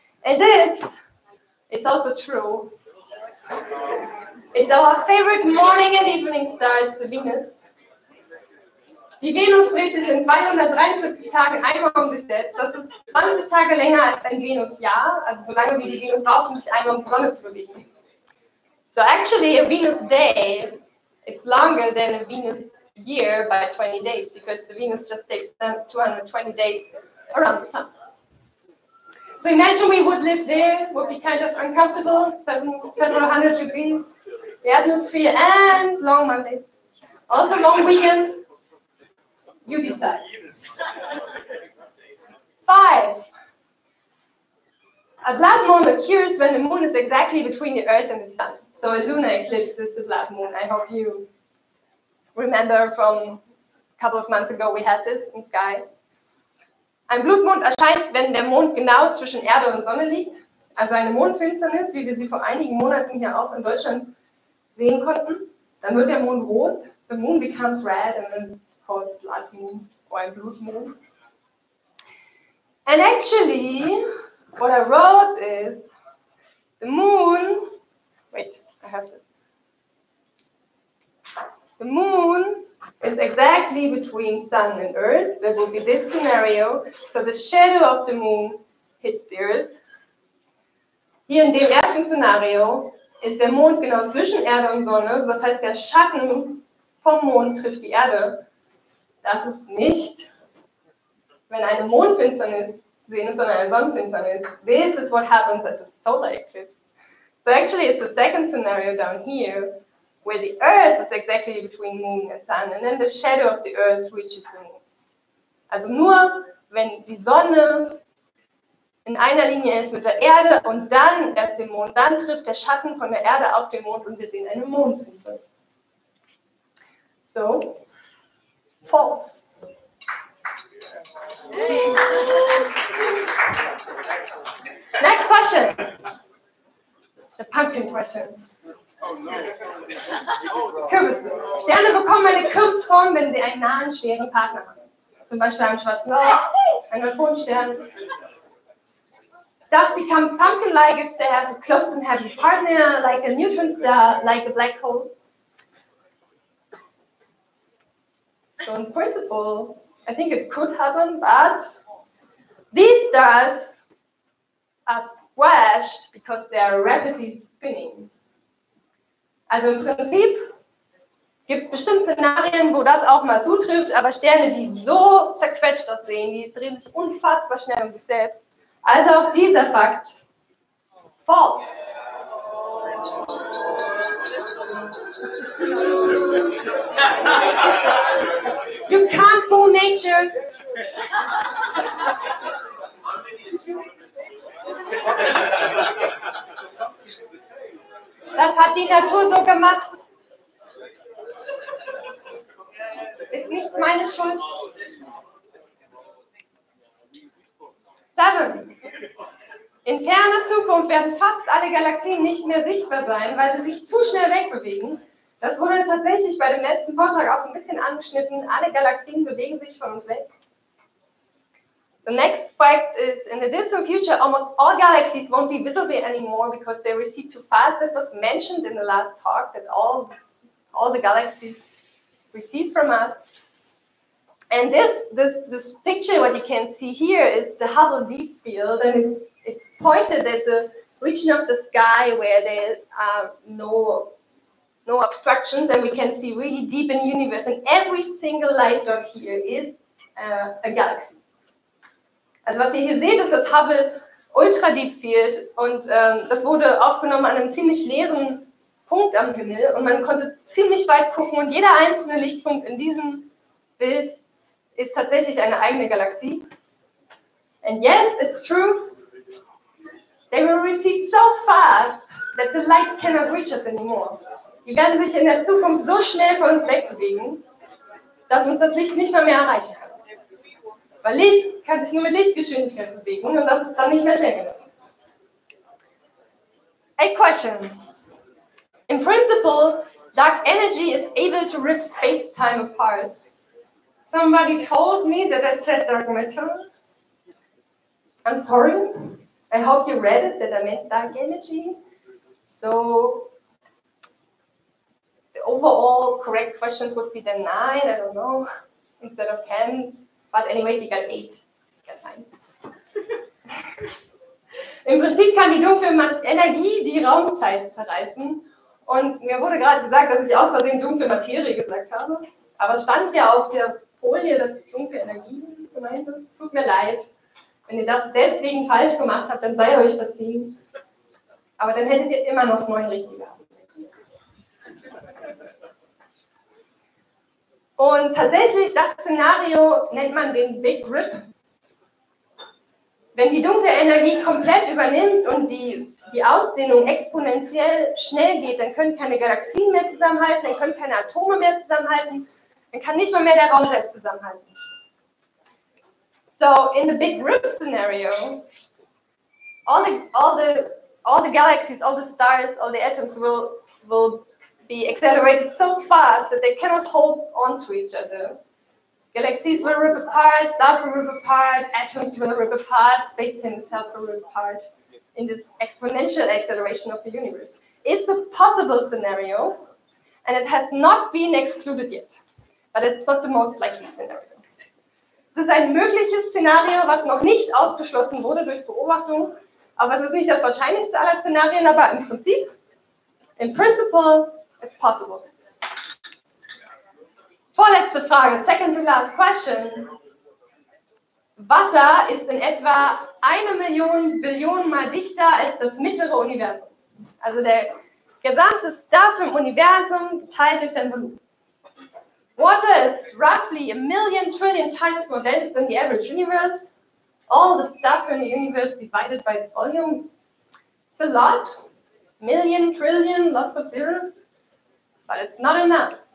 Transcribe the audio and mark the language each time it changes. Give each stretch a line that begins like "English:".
English: And this is also true. It's our favorite morning and evening star, it's the Venus.
German: Die Venus dreht sich in 243 Tagen einmal um sich selbst. Das ist 20 Tage länger als ein Venusjahr, also so lange wie die Venus braucht, um sich einmal um die Sonne zu bewegen.
English: So actually, a Venus day is longer than a Venus year by 20 days, because the Venus just takes 220 days around the sun. So imagine we would live there, would be kind of uncomfortable, several hundred degrees, the atmosphere, and long Mondays. Also long weekends. You decide. Five. A blood moon occurs when the moon is exactly between the Earth and the Sun. So a lunar eclipse is the blood moon. I hope you remember from a couple of months ago we had this in sky.
German: Ein Blutmond erscheint, wenn der Mond genau zwischen Erde und Sonne liegt. Also eine Mondfinsternis, wie wir sie vor einigen Monaten hier auch in Deutschland sehen konnten. Dann wird der Mond rot.
English: The moon becomes red and then blood moon or a blood moon. And actually, what I wrote is the moon. Wait, I have this. The moon is exactly between sun and earth. There will be this scenario. So the shadow of the moon hits the earth. Here
German: in dem ersten Szenario ist der Mond genau zwischen Erde und Sonne. Das heißt, der Schatten vom Mond trifft die Erde. Das ist nicht, wenn eine Mondfinsternis zu sehen ist, sondern eine Sonnenfinsternis.
English: This is what happens at the solar eclipse. So actually, it's the second scenario down here, where the Earth is exactly between Moon and Sun, and then the shadow of the Earth reaches the Moon.
German: Also nur, wenn die Sonne in einer Linie ist mit der Erde und dann erst den Mond, dann trifft der Schatten von der Erde auf den Mond und wir sehen eine Mondfinsternis.
English: So, false. Next question. The pumpkin question.
German: Kürbisse. Sterne bekommen eine Kürbisform, wenn sie einen nahen, schweren Partner haben. Zum Beispiel einen schwarzen Loch, einen Neutronenstern.
English: Stars become pumpkin-like if they have a close and heavy partner, like a neutron star, like a black hole. So in principle, I think it could happen, but these stars are squashed because they are rapidly spinning.
German: Also im Prinzip gibt es bestimmt Szenarien, wo das auch mal zutrifft, aber Sterne, die so zerquetscht das sehen, die drehen sich unfassbar schnell um sich selbst. Also auch dieser Fakt, false.
English: You can't fool nature.
German: Das hat die Natur so gemacht. Ist nicht meine Schuld.
English: Seven.
German: In ferner Zukunft werden fast alle Galaxien nicht mehr sichtbar sein, weil sie sich zu schnell wegbewegen. Das wurde tatsächlich bei dem letzten Vortrag auch ein bisschen angeschnitten. Alle Galaxien bewegen sich von uns weg.
English: The next fact is, in the distant future, almost all galaxies won't be visible anymore because they recede too fast. It was mentioned in the last talk that all the galaxies recede from us. And this picture, what you can see here, is the Hubble Deep Field, and it pointed at the region of the sky where there are no obstructions, and we can see really deep in the universe, and every single light dot here is a galaxy.
German: Also was ihr hier seht, ist das Hubble Ultra Deep Field, und das wurde aufgenommen an einem ziemlich leeren Punkt am Himmel, und man konnte ziemlich weit gucken, und jeder einzelne Lichtpunkt in diesem Bild ist tatsächlich eine eigene Galaxie.
English: And yes, it's true. They will recede so fast that the light cannot reach us anymore.
German: Die werden sich in der Zukunft so schnell von uns wegbewegen, dass uns das Licht nicht mehr erreichen kann. Weil Licht kann sich nur mit Lichtgeschwindigkeit bewegen und das ist dann nicht mehr schnell genug.
English: A question. In principle, dark energy is able to rip space-time apart. Somebody told me that I said dark matter. I'm sorry. I hope you read it, that I meant dark energy. So, the overall correct questions would be then 9, I don't know, instead of 10. But anyways, you got 8. You got 9.
German: Im Prinzip kann die dunkle Energie die Raumzeit zerreißen. Und mir wurde gerade gesagt, dass ich aus Versehen dunkle Materie gesagt habe. Aber es stand ja auf der Folie, dass es dunkle Energie gemeint ist. Tut mir leid. Wenn ihr das deswegen falsch gemacht habt, dann sei euch verziehen. Aber dann hättet ihr immer noch 9 richtige. Und tatsächlich, das Szenario nennt man den Big Rip. Wenn die dunkle Energie komplett übernimmt und die Ausdehnung exponentiell schnell geht, dann können keine Galaxien mehr zusammenhalten, dann können keine Atome mehr zusammenhalten, dann kann nicht mal mehr der Raum selbst zusammenhalten.
English: So, in the Big Rip Scenario, all the galaxies, all the stars, all the atoms will be accelerated so fast that they cannot hold on to each other. Galaxies will rip apart, stars will rip apart, atoms will rip apart, space-time itself will rip apart in this exponential acceleration of the universe. It's a possible scenario, and it has not been excluded yet. But it's not the most likely scenario.
German: Es ist ein mögliches Szenario, was noch nicht ausgeschlossen wurde durch Beobachtung. Aber es ist nicht das wahrscheinlichste aller Szenarien, aber im Prinzip
English: In principle, it's possible.
German: Vorletzte Frage,
English: second to last question.
German: Wasser ist in etwa 1 Milliarde Billionen mal dichter als das mittlere Universum. Also der gesamte Stuff im Universum teilt durch sein Volumen.
English: Water is roughly 1 million trillion times more dense than the average universe. All the stuff in the universe divided by its volume. It's a lot. Million, trillion, lots of zeros. But it's not enough.